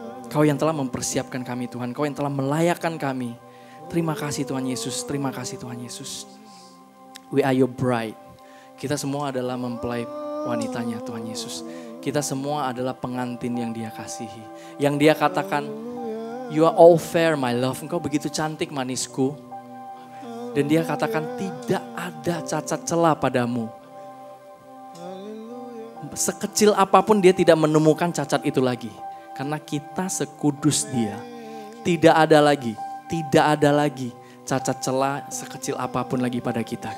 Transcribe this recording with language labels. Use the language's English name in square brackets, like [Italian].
[Indonesian] Kau yang telah mempersiapkan kami Tuhan, Kau yang telah melayakkan kami. Terima kasih Tuhan Yesus, terima kasih Tuhan Yesus. [English] We are your bride. [Indonesian] Kita semua adalah mempelai wanitanya Tuhan Yesus. Kita semua adalah pengantin yang dia kasihi. Yang dia katakan, [English] you are all fair my love. [Indonesian] Engkau begitu cantik manisku. Dan dia katakan, tidak ada cacat celah padamu. Sekecil apapun dia tidak menemukan cacat itu lagi. Karena kita sekudus dia. Tidak ada lagi, tidak ada lagi cacat celah sekecil apapun lagi pada kita.